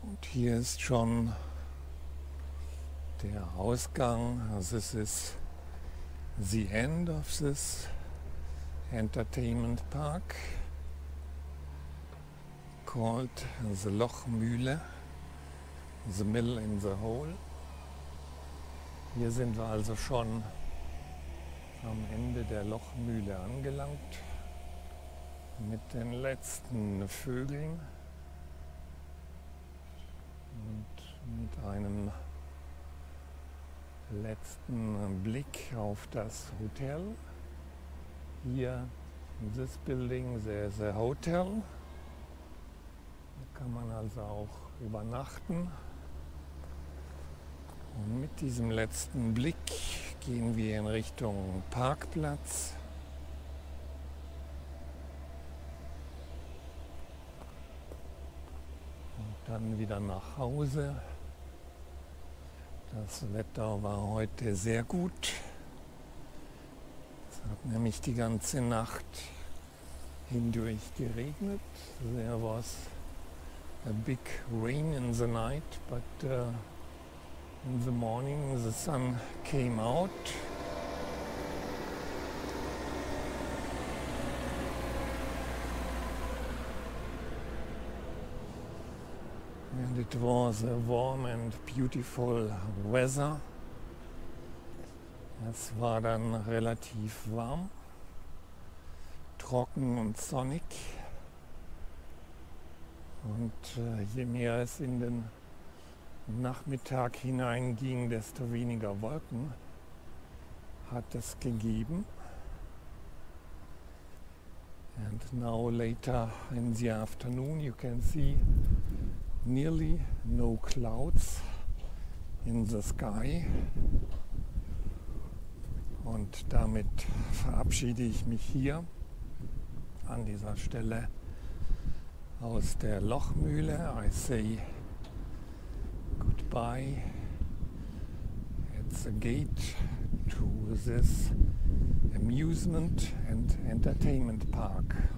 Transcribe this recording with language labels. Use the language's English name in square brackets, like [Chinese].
[German] hier ist schon der Ausgang. [English] This is the end of this entertainment park called the Lochmühle, the mill in the hole. [German] Hier sind wir also schon am Ende der Lochmühle angelangt mit den letzten Vögeln und mit einem letzten Blick auf das Hotel. [English] Hier in this building there's a hotel. [German] Da kann man also auch übernachten. Und mit diesem letzten Blick gehen wir in Richtung Parkplatz. Und dann wieder nach Hause. Das Wetter war heute sehr gut. Es hat nämlich die ganze Nacht hindurch geregnet. [English] There was a big rain in the night, but in the morning the sun came out. And it was a warm and beautiful weather. [German] Es war dann relativ warm, trocken und sonnig. Und je mehr es in den Nachmittag hineinging, desto weniger Wolken hat es gegeben. [English] And now later in the afternoon you can see nearly no clouds in the sky. [German] Und damit verabschiede ich mich hier an dieser Stelle aus der Lochmühle. [English] I say goodbye at the gate to this amusement and entertainment park.